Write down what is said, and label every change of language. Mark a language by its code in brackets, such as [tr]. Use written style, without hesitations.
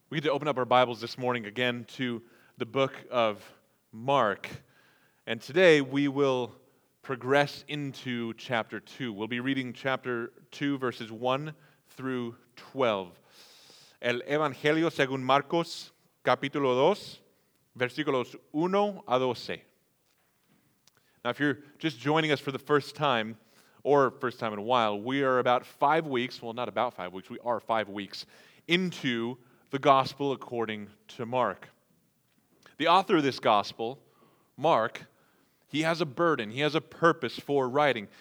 [en] We get to open up our Bibles this morning again to the book of Mark. And today we will progress into chapter 2. We'll be reading chapter 2, verses 1 through 12. [es] El Evangelio según Marcos, capítulo 2, versículos 1 a 12. [en] Now, if you're just joining us for the first time, or first time in a while, we are about 5 weeks, well, not about 5 weeks, we are 5 weeks into the Gospel according to Mark. The author of this Gospel, Mark, he has a burden, he has a purpose for writing.